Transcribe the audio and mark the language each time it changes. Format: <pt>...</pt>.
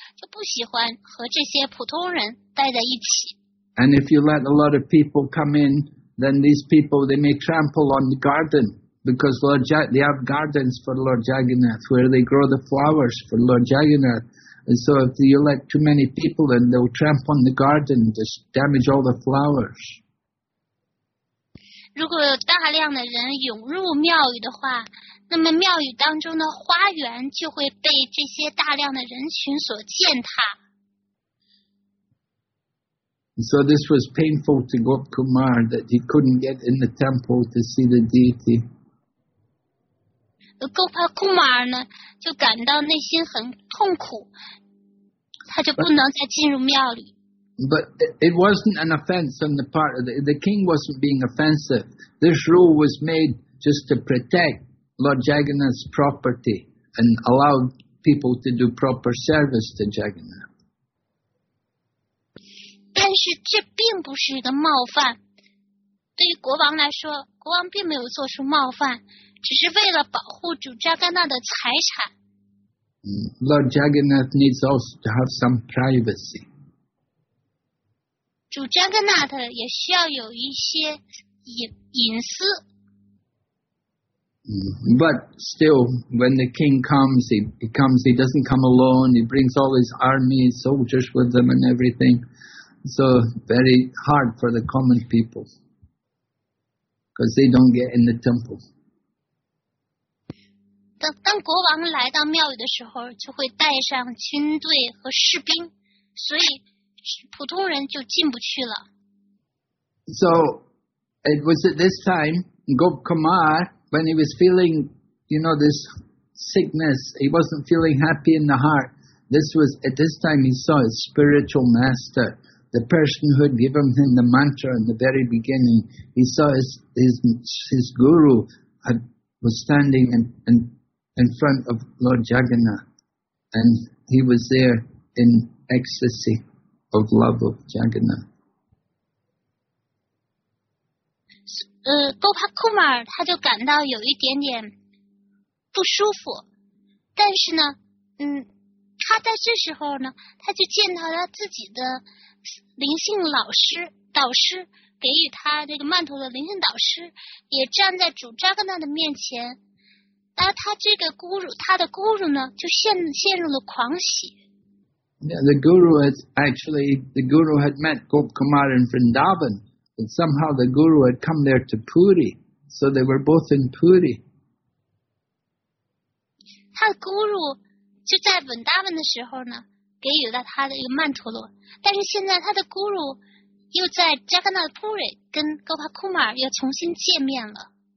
<zh>因为如果这些普通人也在庙宇的时候呢，那些大人物就不喜欢和这些普通人待在一起。</zh> <en>And if you let a lot of people come in, then these people, they may trample on the garden. Because Lord they have gardens for Lord Jagannath, where they grow the flowers for Lord Jagannath. And so if you let too many people in, they'll tramp on the garden, just damage all the flowers.</en> <zh>如果有大量的人涌入庙宇的话，那么庙宇当中的花园就会被这些大量的人群所践踏。</zh> <en>So this was painful to Gop Kumar that he couldn't get in the temple to see the deity.</en> <zh>Gopa Kumar呢，就感到内心很痛苦，他就不能再进入庙里。But</zh> <en>it wasn't an offense on the part of the king wasn't being offensive. This rule was made just to protect Lord Jagannath's property and allow people to do proper service to Jagannath.</en> <zh>但是这并不是一个冒犯，对于国王来说，国王并没有做出冒犯。</zh> <en>Lord Jagannath needs also to have some privacy.</en> <zh>主Jagannath也需要有一些隐私。</zh> <en>But still, when the king comes, he doesn't come alone. He brings all his army, soldiers with him and everything. So very hard for the common people, because they don't get in the temple.</en> <zh>当国王来到庙宇的时候，就会带上军队和士兵，所以普通人就进不去了。</zh> <en>So it was at this time, Gop Kumar, when he was feeling, you know, this sickness, he wasn't feeling happy in the heart. This was at this time he saw his spiritual master, the person who had given him the mantra in the very beginning. He saw his guru was standing in front of Lord Jagannath, and he was there in ecstasy of love of Jagannath.</en> <zh>Gopal Kumar, 他就感到有一点点不舒服，但是呢，他在这时候呢，他就见到了自己的灵性老师，导师给予他这个曼陀的灵性导师，也站在主扎格纳的面前。而他这个孤乳，他的孤乳呢，就陷入了狂喜。</zh> <en>Yeah, the guru had actually, the guru had met Gop Kumar in Vrindavan, but somehow the guru had come there to Puri, so they were both in Puri.</en> <zh>他的孤乳就在 Vrindavan 的时候呢，给予了他的一个曼陀罗，但是现在他的孤乳又在 Jagannath Puri 跟 Gopal Kumar 又重新见面了。</zh>